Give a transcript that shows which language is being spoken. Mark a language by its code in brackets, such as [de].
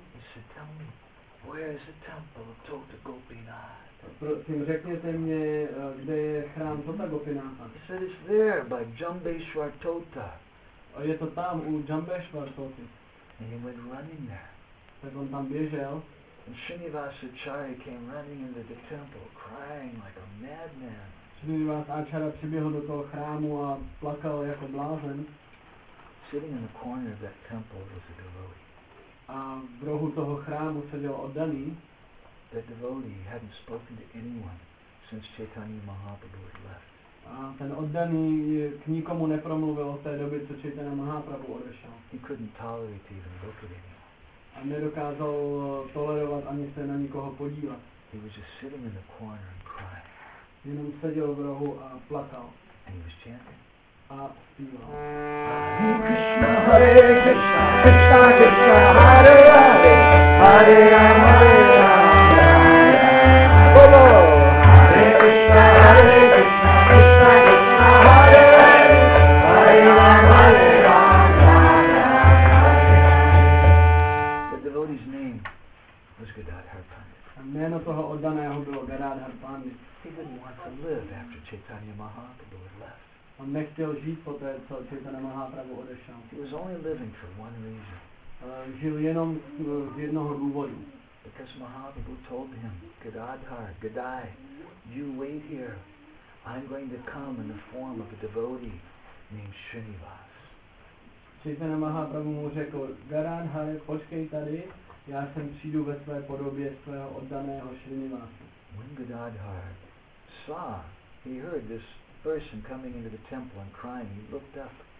[en] He said, tell me, where is the temple of Tota Gopinath? [cs] Prosím, řekněte mě, kde je chrám Tota Gopinatha. [en] He said, it's there by Jambeshwar Tota. [cs] A je to tam u Jambeshwar Toti. [en] And he went running there. [cs] Tak on tam běžel. [en] And Srinivas Acharya came running into the temple, crying like a madman. [cs] Srinivas Acharya přiběhl do toho chrámu a plakal jako blázen. [en] Sitting in the corner of that temple was a devotee. [cs] A v rohu toho chrámu seděl oddaný. [en] That devotee hadn't spoken to anyone since Chaitanya Mahaprabhu had left. [cs] A ten oddaný k nikomu nepromluvil od té doby, co Chaitanya Mahaprabhu odešel. [en] He couldn't tolerate to even look at anyone. [cs] A nedokázal tolerovat ani se na nikoho podívat. [en] He was just sitting in the corner and crying. [cs] Jenom seděl v rohu a plakal. [en] And he was chanting. [sa] Hare Krishna, Hare Krishna, Krishna Krishna, Hare Hare, Hare Rama, Hare Rama, Rama Rama. Hare Krishna, Hare Krishna, Krishna Krishna, Hare Hare, Hare Rama, Hare Rama, Rama Rama. [en] The devotee's name was Gadadhar Pandit. [cs] A jméno toho oddaného bylo Gadadhar Pandit. [en] He didn't want to live after Chaitanya Mahaprabhu had left. [cs] On nechtěl žít poté, co Chaitanya Mahaprabhu odešel. [en] He was only living for one reason. [cs] Žil jenom z jednoho důvodu. [en] Because Mahaprabhu told him, Gadadhar, Gadai, you wait here. I'm going to come in the form of a devotee named Srinivas. [cs] Chaitanya Mahaprabhu mu řekl, Gadadhar, počkej tady, já sem přijdu ve své podobě svého oddaného Srinivasa. [en] When Gadadhar saw, he heard this person coming into the temple and crying, he looked up.